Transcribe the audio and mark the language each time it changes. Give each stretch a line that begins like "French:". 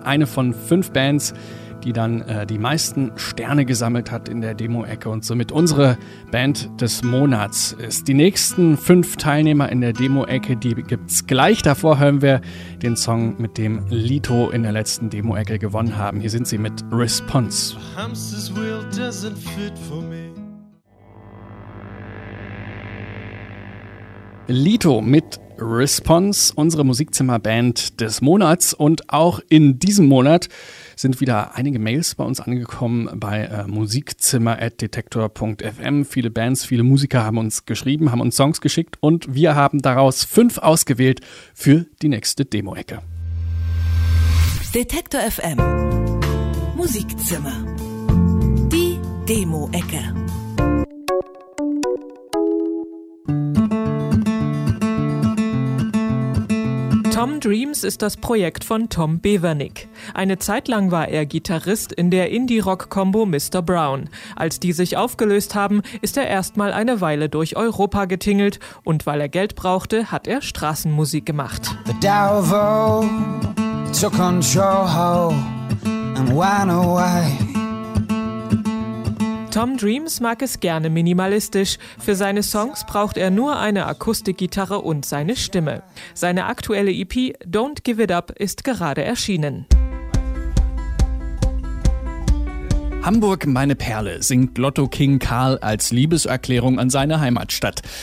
German: Eine von 5 Bands, die dann die meisten Sterne gesammelt hat in der Demo-Ecke und somit unsere Band des Monats ist. Die nächsten 5 Teilnehmer in der Demo-Ecke, die gibt's gleich. Davor hören wir den Song, mit dem Lito in der letzten Demo-Ecke gewonnen haben. Hier sind sie mit Response.
English: Hamster's wheel doesn't fit for me.
German: Lito mit Response, unsere Musikzimmerband des Monats. Und auch in diesem Monat sind wieder einige Mails bei uns angekommen bei musikzimmer@detektor.fm. Viele Bands, viele Musiker haben uns geschrieben, haben uns Songs geschickt und wir haben daraus 5 ausgewählt für die nächste Demo-Ecke. Detektor FM, Musikzimmer, die Demo-Ecke. Tom Dreams ist das Projekt von Tom Bevernick. Eine Zeit lang war er Gitarrist in der Indie-Rock-Kombo Mr. Brown. Als die sich aufgelöst haben, ist er erstmal eine Weile durch Europa getingelt und weil er Geld brauchte, hat er Straßenmusik gemacht.
English: The devil took control and ran away.
German: Tom Dreams mag es gerne minimalistisch. Für seine Songs braucht er nur eine Akustikgitarre und seine Stimme. Seine aktuelle EP Don't Give It Up ist gerade erschienen. Hamburg, meine Perle, singt Lotto King Karl als Liebeserklärung an seine Heimatstadt.